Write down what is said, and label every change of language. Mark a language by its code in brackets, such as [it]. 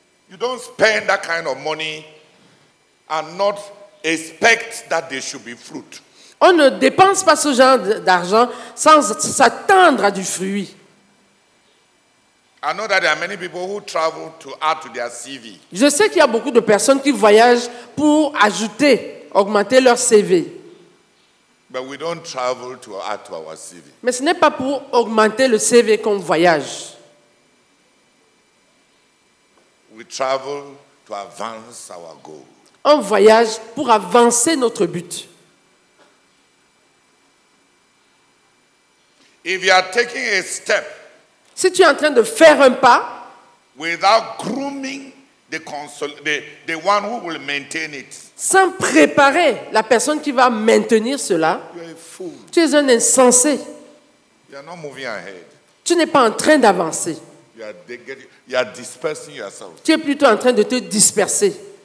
[en] You don't spend that kind of money and not expect that there should be fruit. [fr] On ne dépense pas ce genre d'argent sans s'attendre à du fruit. [en] I know that there are many people who travel to add to their CV. [fr] Je sais qu'il y a beaucoup de personnes qui voyagent pour ajouter, augmenter leur CV. [en] But we don't travel to add to our CV. [fr] Mais ce n'est pas pour augmenter le CV qu'on voyage. [en] We travel to advance our goal. [fr] On voyage pour avancer notre but. [en] If you are taking a step, [fr] si tu es en train de faire un pas, [en] without grooming the console, the one who will maintain it, [fr] sans préparer la personne qui va maintenir cela, tu es un insensé. [en] You are not moving ahead. [fr] Tu n'es pas en train d'avancer. [en] You are dispersing yourself. [fr] Tu es plutôt en train de te disperser.